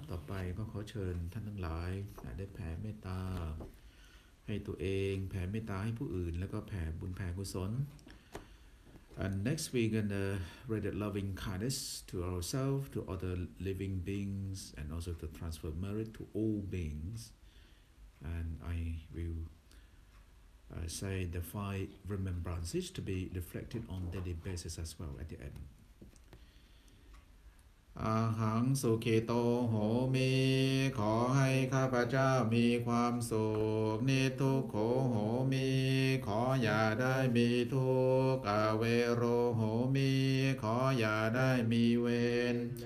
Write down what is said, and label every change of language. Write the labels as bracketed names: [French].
[Thai] ไปก็ขอเชิญท่านทั้งหลายได้แผ่เมตตาให้ตัวเองแผ่เมตตาให้ผู้อื่นแล้วก็แผ่บุญแผ่กุศล [English] And next we're gonna render loving kindness to ourselves, to other living beings, and also to transfer merit to all beings. And I will say the five remembrances to be reflected on daily basis as well at the end. [Thai] อาหังสุขิโตโหมิขอให้ข้าพเจ้ามีความสุขนิทุกขโหมิขออย่าได้มีทุกขเวโรโหมิขออย่าได้มีเวร